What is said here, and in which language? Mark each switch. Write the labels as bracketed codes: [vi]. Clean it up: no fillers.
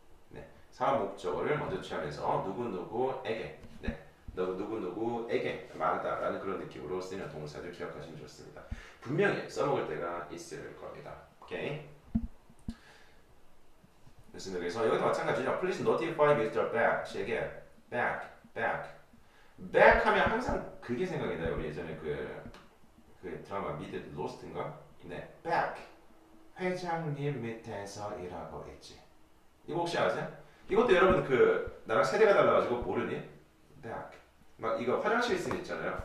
[ko] 네, 사람 목적어를 먼저 취하면서 누구누구에게, 네, 너 누구누구에게 말하다라는 그런 느낌으로 쓰이는 동사들 기억하시면 좋습니다. 분명히 써먹을 때가 있을 겁니다. 오케이? 됐습니다. 그래서 여기도 마찬가지죠. [en] Please notify Mr. Back. [ko] 제게 Back, Back. back 하면 항상 그게 생각이 나요. 우리 예전에 그 드라마 미드 로스트인가? 네, back 회장님 밑에서 일하고 있지. 이거 혹시 아세요? 이것도 여러분 나랑 세대가 달라가지고 모르니? back 막 이거 화장실 씬 있잖아요.